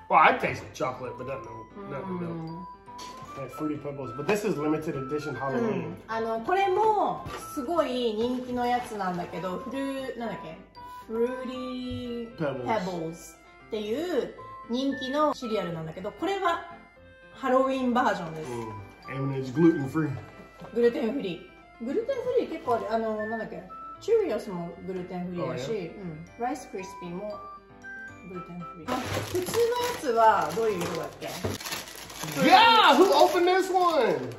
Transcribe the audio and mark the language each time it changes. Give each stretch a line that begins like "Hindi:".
English: Well, I taste chocolate, but that, no, not no. Like fruity pebbles. But this is limited edition Halloween.
Japanese: あの、これもすごい人気のやつなんだけど、フルー、なんだっけ?
English: Fruity Pebbles.
Japanese: っていう人気のシリアルなんだけど、これはハロウィンバージョンです。
English: And it's gluten free.
Japanese: グルテンフリー。グルテンフリー結構ある。あの、なんだっけ、チューリオスもグルテンフリーだし、ライスクリスピーもグルテンフリー。普通のやつはどういう色だっけ
English: ？Yeah, who opened this one?